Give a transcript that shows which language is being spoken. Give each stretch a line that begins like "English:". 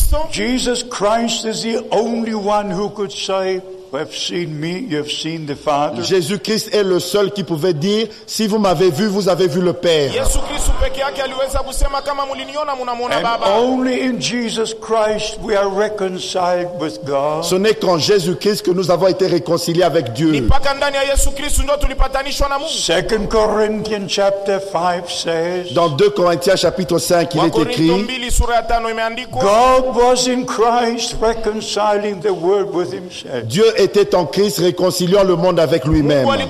English: Jesus Christ is the only one who could say, "You have seen me, you have seen the Father."
French: Jésus Christ est le seul qui pouvait dire, si vous m'avez vu, vous avez vu le Père.
Swahili: Yesu Kristo peke yake aliweza kusema kama muliniona mnamuona Baba.
English: Only in Jesus Christ we are reconciled with God.
French: Ce n'est qu'en Jésus Christ que nous avons été réconciliés avec Dieu.
Swahili: Ni paka ndani ya Yesu Kristo ndio tulipatanishwa na Mungu.
English: 2 Corinthians chapter 5 says.
French: Dans 2 Corinthiens chapitre 5 il est écrit.
English: God was in Christ reconciling the world with himself.
French: Dieu était en Christ réconciliant le monde avec lui-même.